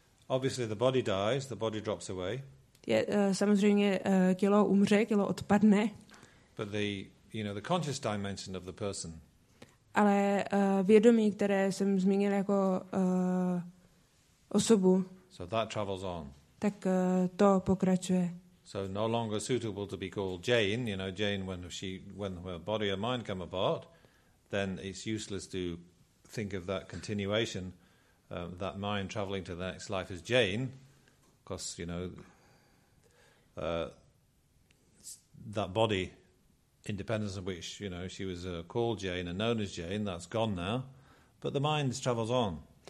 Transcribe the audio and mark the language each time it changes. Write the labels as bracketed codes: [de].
[en] Obviously the body dies, the body drops away. [cs] Samozřejmě tělo umře, tělo odpadne. [en] But the, you know, the conscious dimension of the person. [cs] Ale vědomí, které jsem zmínil jako osobu. [en] So that travels on. [cs] Tak to pokračuje. [en] So no longer suitable to be called Jane, you know, Jane when her body and mind come apart, then it's useless to think of that continuation, that mind traveling to the next life as Jane, because, you know, that body, independence of which, you know, she was called Jane and known as Jane, that's gone now, but the mind travels on.